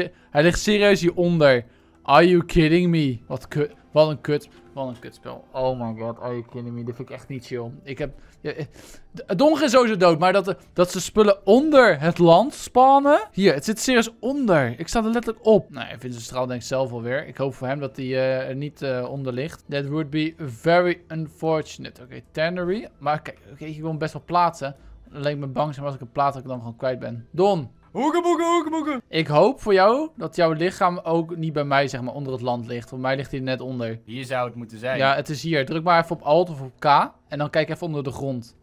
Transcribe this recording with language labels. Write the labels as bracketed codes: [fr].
[nl] Hij ligt serieus hieronder. [en] Are you kidding me? [nl] Wat een kutspel. [en] Oh my god, are you kidding me? [nl] Dit vind ik echt niet chill. Don is sowieso dood, maar dat ze spullen onder het land spawnen. Hier, het zit serieus onder. Ik sta er letterlijk op. Nou, hij vindt zijn straal denk ik zelf alweer. Ik hoop voor hem dat hij er niet onder ligt. [en] That would be very unfortunate. [nl] Oké, tannery. Maar kijk, ik wil hem best wel plaatsen. Alleen ik ben bang zijn als ik hem plaats, dat ik dan gewoon kwijt ben. Don. Hoekenboeken. Ik hoop voor jou dat jouw lichaam ook niet bij mij, zeg maar, onder het land ligt. Want mij ligt hij net onder. Hier zou het moeten zijn. Ja, het is hier. Druk maar even op Alt of op K. En dan kijk even onder de grond.